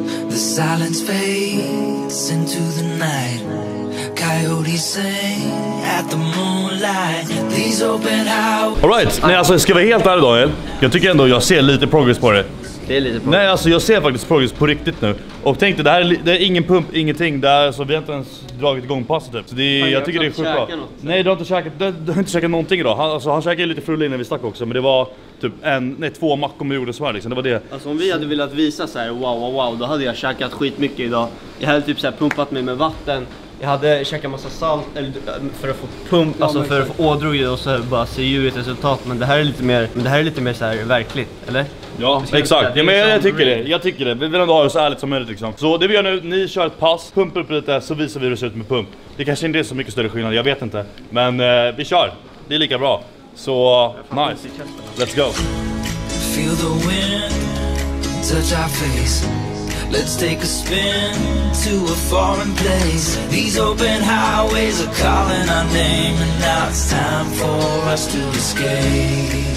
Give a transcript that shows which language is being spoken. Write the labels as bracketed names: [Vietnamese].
[English] Silence fades into the night. Coyotes sing at the moonlight. These open out. All right. [Swedish] Nej, alltså ska vara helt ärlig Daniel. Jag tycker ändå jag ser lite progress på det. Det är lite progress. Nej, alltså jag ser faktiskt progress på riktigt nu. Och tänk dig, det här är ingen pump, ingenting. Det här, så vi har inte ens dragit igång passet typ. Så det är, fan, jag tycker det är sjukt bra. Något, nej, du har inte käkat någonting idag. Han käkade lite frull innan vi stack också. Men det var typ två mackor vi gjorde så här liksom. Det var det. Alltså om vi hade velat visa så här, wow. Då hade jag käkat skitmycket idag. Jag hade typ så här pumpat mig med vatten. Jag hade käkat massa salt eller, för att få pump, ja, alltså för att få ådrog och så bara se ju ett resultat. Men det här är lite mer, så här verkligt, eller? Ja, exakt. Ja, men jag tycker det. Vi vill ändå ha det så ärligt som möjligt liksom. Så det vi gör nu, ni kör ett pass, pumpar upp lite så visar vi hur det ser ut med pump. Det kanske inte är så mycket större skillnad, jag vet inte. Men vi kör, det är lika bra. Så, nice. [English] Let's go. Feel the wind, touch our face. Let's take a spin to a foreign place. These open highways are calling our name. And now it's time for us to escape.